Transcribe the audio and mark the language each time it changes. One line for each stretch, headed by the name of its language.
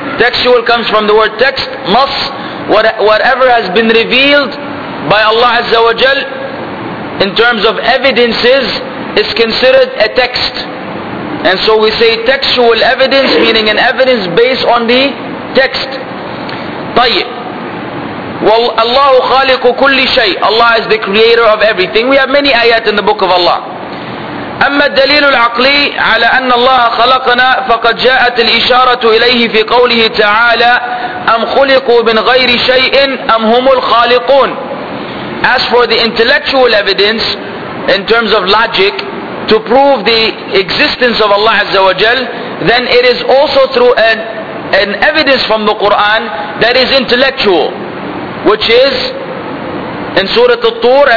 English: Textual comes from the word text, mas. Whatever has been revealed by Allah Azza wa Jal in terms of evidences is considered a text. And so we say textual evidence, meaning an evidence based on the text.
Arabic: طيب well, Allah خالق كل شيء.
English: Allah is the creator of everything. We have many ayat in the book of Allah.
Arabic: أما الدليل العقلي على أن الله خلقنا فقد جاءت الإشارة إليه في قوله تعالى أم خلقوا من غير شيء أم هم الخالقون.
English: As for the intellectual evidence in terms of logic to prove the existence of Allah Azza wa Jal, then it is also through an evidence from the Quran that is intellectual, which is in Surah At-Tur.